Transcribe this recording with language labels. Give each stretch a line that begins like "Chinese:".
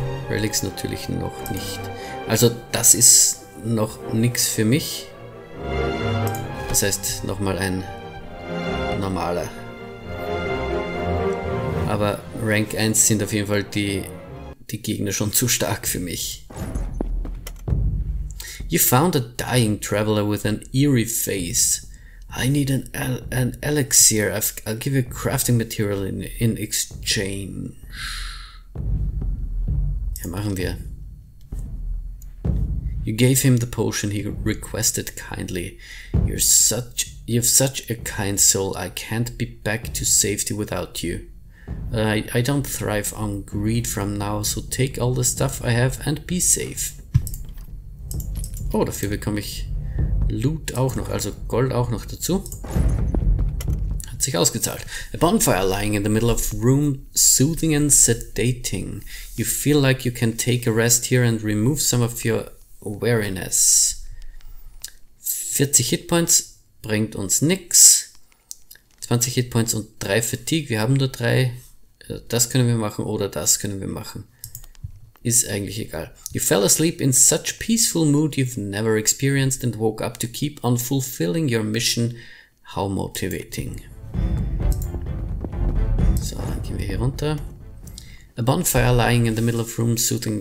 German: Relics natürlich noch nicht. Also das ist noch nichts für mich. Das heißt nochmal ein normaler. Aber Rank 1 sind auf jeden Fall die Gegner schon zu stark für mich.
English: You found a dying traveler with an eerie face. I need an elixir. I'll give you crafting material in exchange.
German: Ja, machen wir.
English: You gave him the potion he requested kindly. You've such a kind soul. I can't be back to safety without you. I don't thrive on greed from now, so take all the stuff I have and be safe.
German: Oh, dafür bekomme ich Loot auch noch, also Gold auch noch dazu. Hat sich ausgezahlt.
English: A bonfire lying in the middle of room, soothing and sedating. You feel like you can take a rest here and remove some of your weariness.
German: 40 Hitpoints bringt uns nix. 20 Hitpoints und 3 Fatigue. Wir haben nur 3. Das können wir machen oder das können wir machen. Ist eigentlich egal.
English: You fell asleep in such peaceful mood you've never experienced and woke up to keep on fulfilling your mission. How motivating.
German: So, dann gehen wir hier runter.
English: A bonfire lying in the middle of room soothing.